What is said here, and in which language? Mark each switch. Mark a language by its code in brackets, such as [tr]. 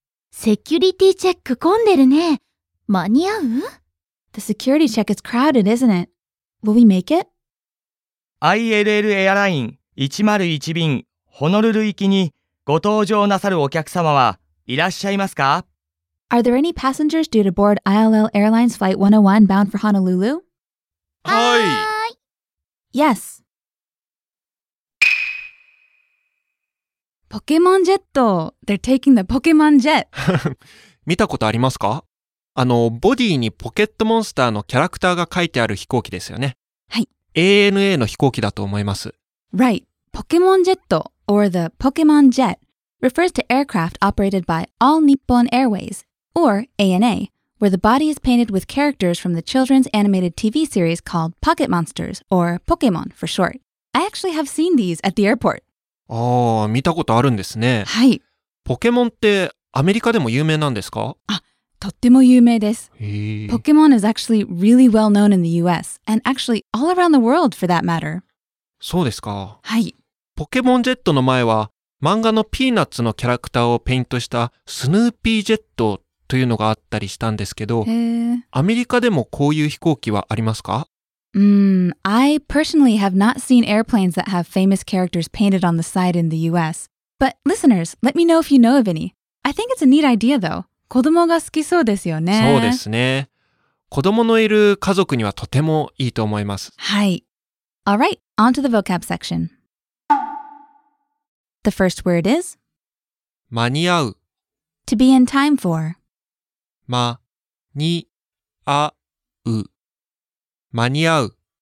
[ja] セキュリティチェック混んでるね。間に合う? [en] The security check is crowded, isn't it? Will we make it? [ja] ILL エアライン101便ホノルル行きにご搭乗なさるお客様はいらっしゃいますか? [en] Are there any passengers due to board ILL Airlines Flight 101 bound for Honolulu? Hi! Yes. Pokemon Jet! They're taking the Pokemon Jet! [ja] 見たことありますか？あの、ボディにポケットモンスターのキャラクターが書いてある飛行機ですよね。はい。 ANA の飛行機だと思います。 [en] Right. Pokemon Jet or the Pokemon Jet refers to aircraft operated by All Nippon Airways or ANA, where the body is painted with characters from the children's animated TV series called Pocket Monsters or Pokemon for short. I actually have seen these at the airport. [ja] ああ、見たことあるんですね。はい。ポケモンってアメリカでも有名なんですか？あ、とっても有名です。 [en] ポケモン is actually really well known in the US and actually all around the world for that matter. [ja] そうですか。はい。ポケモンジェットの前は漫画のピーナッツのキャラクターをペイントしたスヌーピージェットというのがあったりしたんですけど、アメリカでもこういう飛行機はありますか？ [en] I personally have not seen airplanes that have famous characters painted on the side in the US. But listeners, let me know if you know of any. I think it's a neat idea though. [ja] 子供が好きそうですよね。そうですね。子供のいる家族にはとてもいいと思います。はい。 [en] All right, on to the vocab section. The first word is [ja] 間に合う [en] To be in time for [ja] 間に合う間に合う